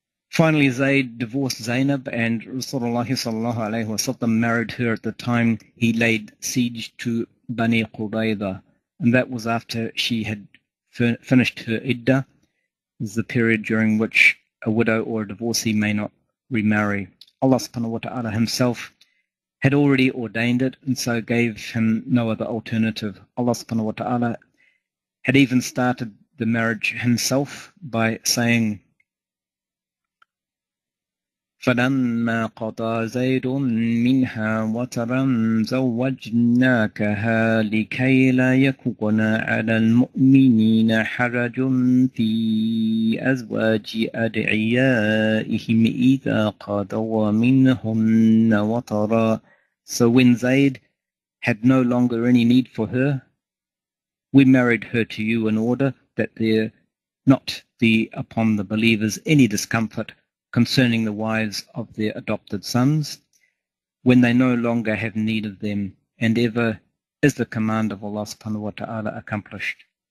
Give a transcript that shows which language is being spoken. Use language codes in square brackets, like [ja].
[en] Finally, Zayd divorced Zainab, and Rasulullah sallallahu alayhi wa sallam married her at the time he laid siege to Bani Qurayza. And that was after she had finished her iddah. This is the period during which a widow or a divorcee may not remarry. Allah subhanahu wa ta'ala himself had already ordained it and so gave him no other alternative. Allah subhanahu wa ta'ala had even started the marriage himself by saying, [ar] فَلَمَّا قَضَى زَيْدٌ مِّنْهَا وَتَرًا زَوَّجْنَاكَهَا لِكَيْ لَا يَكُونَ عَلَى الْمُؤْمِنِينَ حَرَجٌ فِي أَزْوَاجِ أَدْعِيَائِهِمْ إِذَا قَضَوَ مِنْهُنَّ وَتَرًا. [en] So when Zayd had no longer any need for her, we married her to you in order that there not be upon the believers any discomfort concerning the wives of their adopted sons, when they no longer have need of them, and ever is the command of Allah subhanahu wa ta'ala accomplished.